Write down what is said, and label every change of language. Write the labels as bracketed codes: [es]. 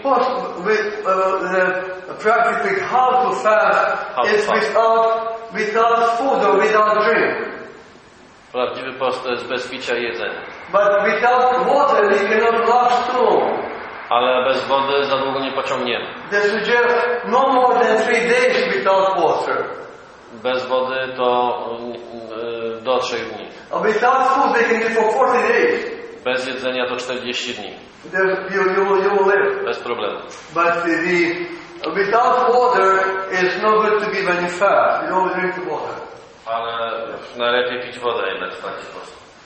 [en] Post with the practically how to fast is without food or without drink. [pl] Prawdziwy post to jest bez picia i jedzenia. [en] But without water we cannot last too. [pl] Ale bez wody za długo nie pociągniemy. [en] They suggest no more than 3 days without water. [pl] Bez wody to do 3 dni. [en] A without food they can live for 40 days. [pl] Bez jedzenia to 40 dni. [en] You will live. [pl] Bez problemu. [en] But without water is no good to be very fast. You don't drink the water. [pl] Ale najlepiej pić wodę jednak w taki sposób.